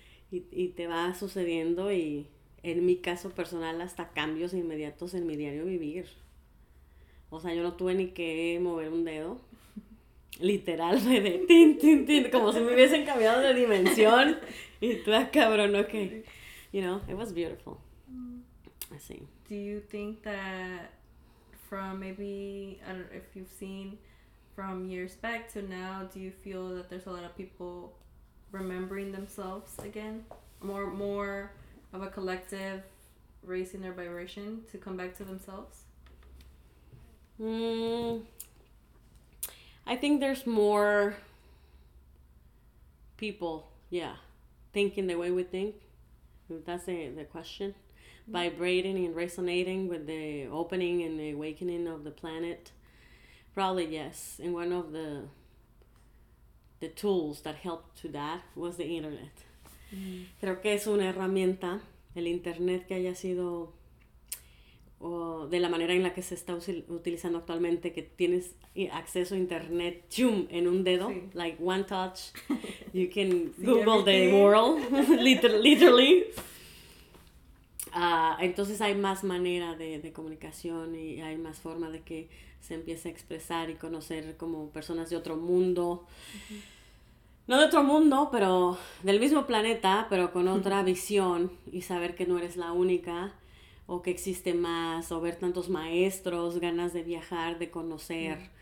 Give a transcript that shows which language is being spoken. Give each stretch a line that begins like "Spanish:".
Spanish: Y te va sucediendo. Y en mi caso personal, hasta cambios inmediatos en mi diario vivir. O sea, yo no tuve ni que mover un dedo. Literal, fue de tin, tin, tin, como si me hubiesen cambiado de dimensión. Y tú, ah, cabrón,
English: ok. You know, it was beautiful.
Spanish: Así.
English: Do you think that from maybe, I don't know if you've seen from years back to now, do you feel that there's a lot of people remembering themselves again? More of a collective raising their vibration to come back to themselves? I think there's more people, yeah, thinking the way we think, if that's the question, vibrating and resonating with the opening and the awakening of the planet, probably yes, and one of the tools that helped to that was the internet.
Spanish: Creo que es una herramienta, el internet que haya sido... O de la manera en la que se está utilizando actualmente, que tienes acceso a internet, ¡chum!, en un dedo, sí.
English: Like one touch, you can Google the world, literally.
Spanish: Entonces hay más manera de comunicación y hay más forma de que se empiece a expresar y conocer como personas de otro mundo. No de otro mundo, pero del mismo planeta, pero con otra visión, y saber que no eres la única, o que existe más, o ver tantos maestros, ganas de viajar, de conocer.